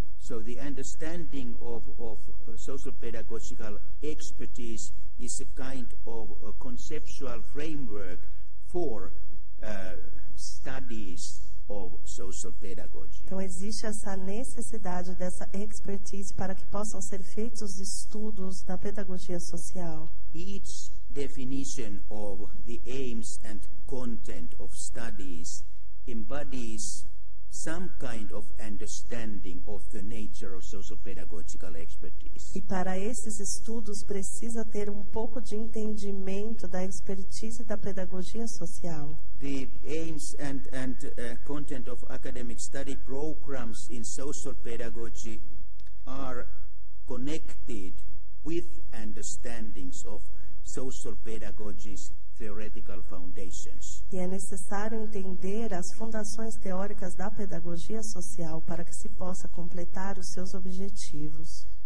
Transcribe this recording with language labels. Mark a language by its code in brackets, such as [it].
[en] So the understanding of social pedagogical expertise is a kind of a conceptual framework for studies of social pedagogy. [pt] Então existe essa necessidade dessa expertise para que possam ser feitos estudos da pedagogia social. [en] Each definition of the aims and content of studies embodies some kind of understanding of the nature of social pedagogical expertise. [pt] E para esses estudos precisa ter um pouco de entendimento da expertise da pedagogia social. [en] The aims and content of academic study programs in social pedagogy are connected with understandings of social pedagogy's theoretical foundations. [pt] E é necessário entender as fundações teóricas da pedagogia social para que se possa completar os seus objetivos.